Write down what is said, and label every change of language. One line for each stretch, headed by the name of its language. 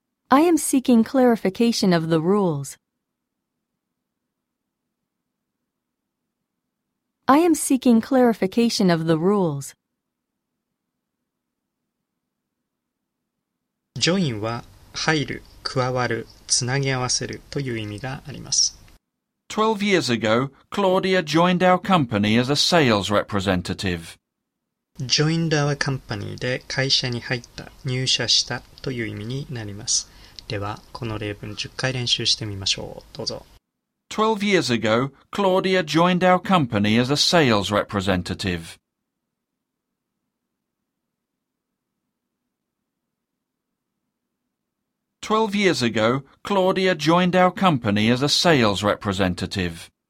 English: I am seeking clarification of the rules. I am seeking clarification of the rules.
Japanese: Join は入る、加わる、つなぎ合わせるという意味があります。
English: 12 years ago, Claudia joined our company as a sales representative. Joined our company
Japanese: で会社に入った、入社したという意味になります。ではこの例文10回練習してみましょう。どうぞ。
English: 12 years ago, Claudia joined our company as a sales representative. 12 years ago, Claudia joined our company as a sales representative.